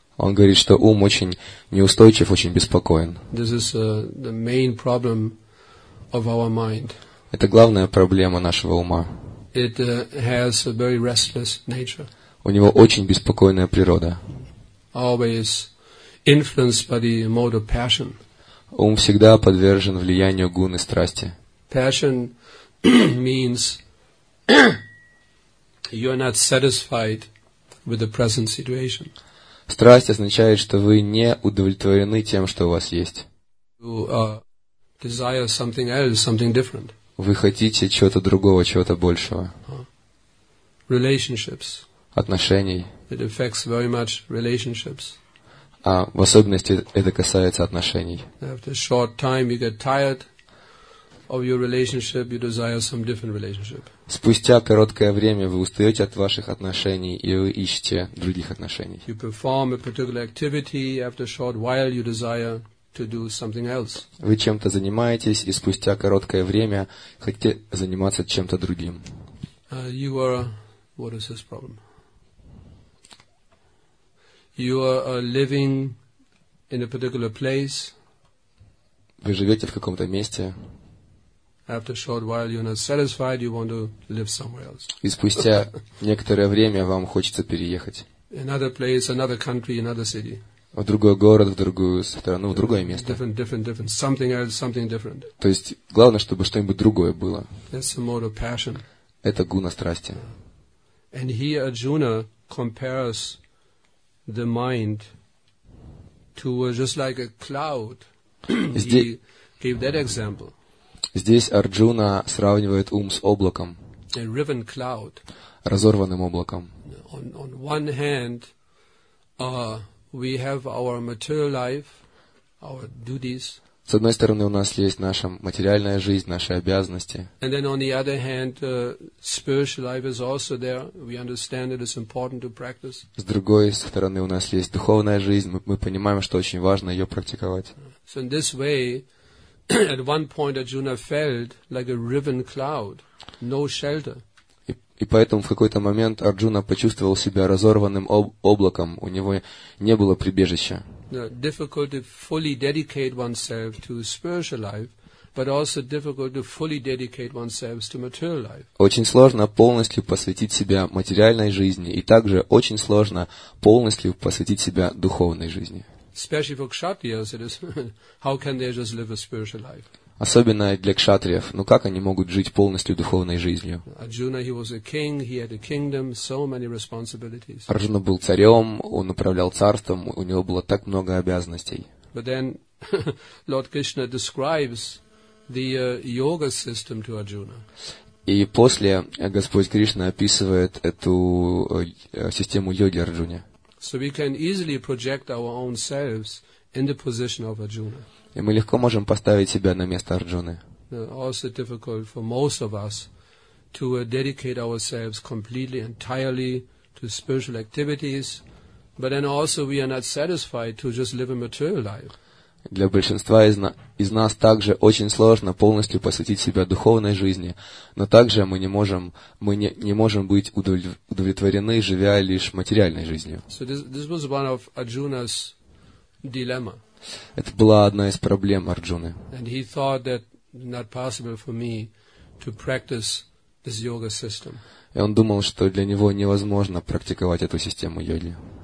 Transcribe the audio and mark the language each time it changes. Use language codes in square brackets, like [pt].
[ru] Он говорит, что ум очень неустойчив, очень беспокоен. [en] This is the main problem of our mind. [ru] Это главная проблема нашего ума. [en] It has a very restless nature. [ru] У него очень беспокойная природа. [en] Always influenced by the mode of passion. [ru] Ум всегда подвержен влиянию гуны страсти. [en] Passion means you are not satisfied with the present situation. [ru] Страсть означает, что вы не удовлетворены тем, что у вас есть. [en] You desire something else, something different. [ru] Вы хотите чего-то другого, чего-то большего. [en] Relationships. [ru] Отношений. [en] It affects very much relationships. [ru] А в особенности это касается отношений. [en] After a short time, you get tired of your relationship, you desire some different relationship. [ru] Спустя короткое время вы устаете от ваших отношений и вы ищете других отношений. [en] You perform a particular activity, after a short while you desire to do something else. [ru] Вы чем-то занимаетесь и спустя короткое время хотите заниматься чем-то другим. [en] You are, what is this problem? You are living in a particular place. [ru] Вы живете в каком-то месте. [en] After a short while you're not satisfied, you want to live somewhere else. [ru] И спустя некоторое время вам хочется переехать. [en] Another place, another country, another city. [ru] В другой город, в другую страну, в другое место. [en] Different. Something else, something different. [ru] То есть главное, чтобы что-нибудь другое было. [en] That's the mode of passion. [ru] Это гуна страсти. [en] And here Arjuna compares the mind to just like a cloud. He gave that example. [ru] Здесь Арджуна сравнивает ум с облаком, [en] a riven cloud, [ru] разорванным облаком. [en] On one hand, we have our material life, our duties. [ru] С одной стороны, у нас есть наша материальная жизнь, наши обязанности. [en] And then on the other hand, spiritual life is also there. We understand it is important to practice. [ru] С другой стороны, у нас есть духовная жизнь. Мы понимаем, что очень важно ее практиковать. [en] So in this way, at one point Arjuna felt like a riven cloud, no shelter. [ru] И И поэтому в какой-то момент Арджуна почувствовал себя разорванным облаком. У него не было прибежища. [en] Difficulty fully dedicate oneself to spiritual life, but also difficult to fully dedicate oneself to material life. [ru] Очень сложно полностью посвятить себя материальной жизни, и также очень сложно полностью посвятить себя духовной жизни. [en] Especially for kshatriyas, it is how can they just live a spiritual life? [ru] Особенно для кшатриев, ну как они могут жить полностью духовной жизнью? [en] Arjuna, he was a king, he had a kingdom, so many responsibilities. [ru] Arjuna был царем, он управлял царством, у него было так много обязанностей. [en] But then Lord Krishna describes the yoga system to Arjuna. [ru] И после Господь Кришна описывает эту систему йоги Арджуне. [en] So we can easily project our own selves in the position of Arjuna. [ru] И мы легко можем поставить себя на место Арджуны. [en] Also difficult for most of us to dedicate ourselves completely, entirely to spiritual activities, but then also we are not satisfied to just live a material life. [ru] Для большинства из нас также очень сложно полностью посвятить себя духовной жизни, но также мы не можем быть удовлетворены, живя лишь материальной жизнью. [en] So this was one of Arjuna's dilemma. [ru] Это была одна из проблем Арджуны. [en] And he thought that not possible for me to practice this yoga system. [ru] И он думал, что для него невозможно практиковать эту систему йоги.